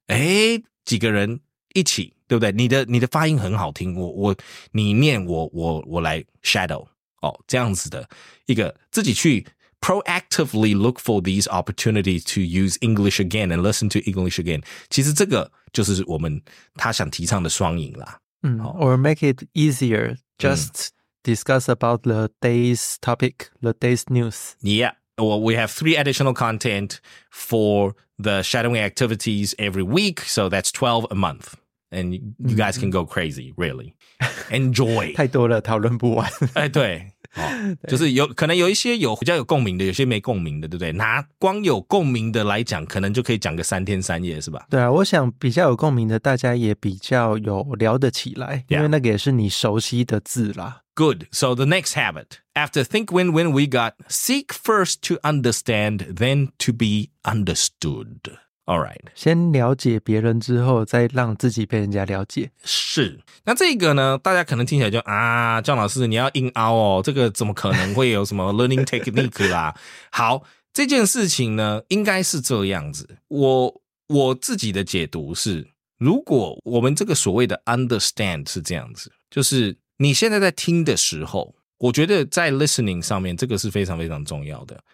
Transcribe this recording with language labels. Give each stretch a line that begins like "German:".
Chinese: 诶，几个人一起，对不对？你的发音很好听，我来 shadow 哦，这样子的一个自己去
English: proactively look for these opportunities to use English again and listen to English again.
Chinese: 其实这个就是我们他想提倡的双赢啦。
English: Or make it easier, just discuss about the day's topic, the day's news. Yeah, well, we have 3 additional content for the shadowing activities every week, so that's 12 a month. And you guys can go crazy, really. Enjoy.
Chinese: 太多了，讨论不完。哎，对。哦、就是有可能有一些有比较有共鸣的，有些没共鸣的，对不对？拿光有共鸣的来讲，可能就可以讲个三天三夜，是吧？对啊，我想比较有共鸣的，大家也比较有聊得起来，因为那个也是你熟悉的字啦。
English: Good. So the next habit, after think win-win, we got seek first to understand, then to be understood. All right.
Chinese: 先了解别人之后，再让自己被人家了解。是。那这个呢，大家可能听起来就啊，姜老师你要硬凹哦，这个怎么可能会有什么 learning technique 啦、啊？好，这件事情呢，应该是这样子。我自己的解读是，如果我们这个所谓的 understand 是这样子，就是你现在在听的时候，我觉得在 listening 上面，这个是非常非常重要的。